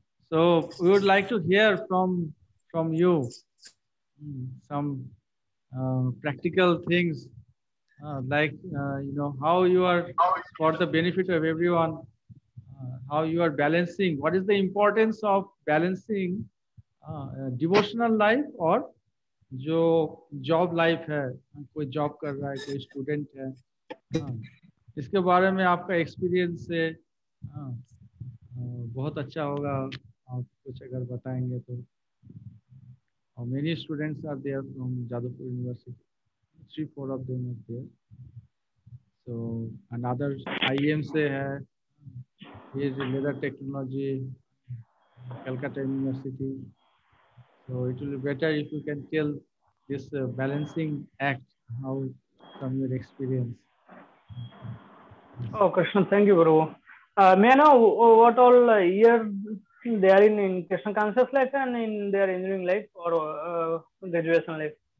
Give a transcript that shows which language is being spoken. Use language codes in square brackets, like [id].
[en] So we would like to hear from you some practical things, how you are, for the benefit of everyone, how you are balancing, what is the importance of balancing devotional life or [hi] jo job life hai, koi job kar raha hai, koi student hai. इसके बारे में आपका experience है, बहुत अच्छा होगा आप कुछ अगर बताएंगे तो। [en] और many students are there from Jadavpur university, 3-4 of them are there. So another IM से है, is leather technology, Calcutta university. So it will be better if you can tell this balancing act, how from your experience. Oh, Krishna, thank you, Guru. May I know what all year they are in Krishna conscious life and in their engineering life or graduation life?